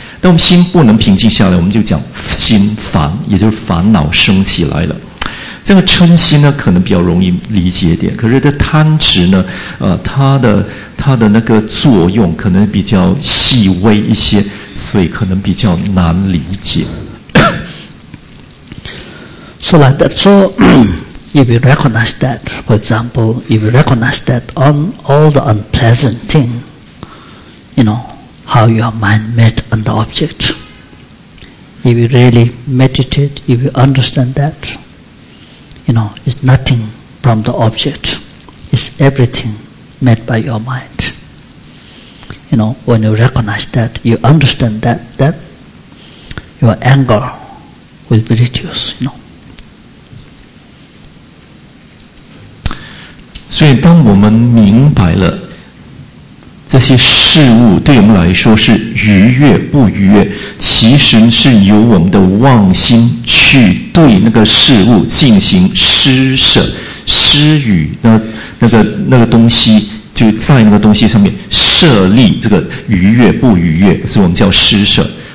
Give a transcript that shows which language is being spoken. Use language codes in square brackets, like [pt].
[zh] 当我们心不能平静下来，我们就讲心烦，也就是烦恼升起来了。这个嗔心呢，可能比较容易理解一点。可是这贪执呢，它的那个作用可能比较细微一些，所以可能比较难理解。 [en] So like that. So. If you recognize that, for example, if you recognize that on all the unpleasant thing, you know, how your mind made on the object. If you really meditate, if you understand that, you know, it's nothing from the object. It's everything made by your mind. You know, when you recognize that, you understand that, that your anger will be reduced, you know. [zh] 所以当我们明白了这些事物对我们来说是愉悦不愉悦，其实是由我们的妄心去对那个事物进行施舍，施予那个东西，就在那个东西上面设立这个愉悦不愉悦，所以我们叫施舍。